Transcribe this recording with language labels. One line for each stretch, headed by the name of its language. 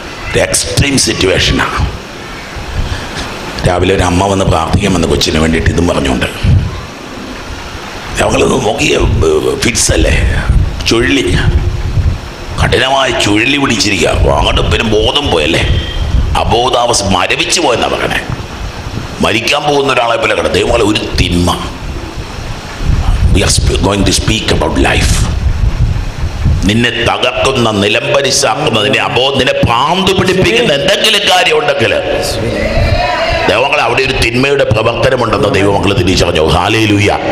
Malayalam: ഒരു എക്സ്ട്രീം സിറ്റുവേഷനാണ്. രാവിലെ ഒരു അമ്മ വന്ന് പ്രാർത്ഥിക്കാമെന്ന് കൊച്ചിന് വേണ്ടിയിട്ട് ഇതും പറഞ്ഞുകൊണ്ട്. ഞങ്ങളൊന്ന് നോക്കിയ ഫിറ്റ്സ് അല്ലേ, ചുഴലി, കഠിനമായി ചുഴലി പിടിച്ചിരിക്കുക. അങ്ങോട്ട് പിന്നെ ബോധം പോയല്ലേ, അബോധാവസ്ഥ, മരവിച്ചു പോയെന്നാ പറയണേ. മരിക്കാൻ പോകുന്ന ഒരാളെ പോലെ കിടന്നു. ദൈവങ്ങളെ, ഒരു തിന്മ.
English: We are going to speak about life.
Malayalam: നിന്നെ തകർക്കുന്ന, നിലംപരിശാക്കുന്നതിനെ, അപ്പോ നിന്നെ പാന്തു പിടിപ്പിക്കുന്ന എന്തെങ്കിലും കാര്യം ഉണ്ടെങ്കിൽ ദൈവങ്ങൾ, അവിടെ ഒരു തിന്മയുടെ പ്രവർത്തനമുണ്ടെന്ന് ദൈവമക്കൾ തിരിച്ചറിഞ്ഞു. ഹാലേലൂയ.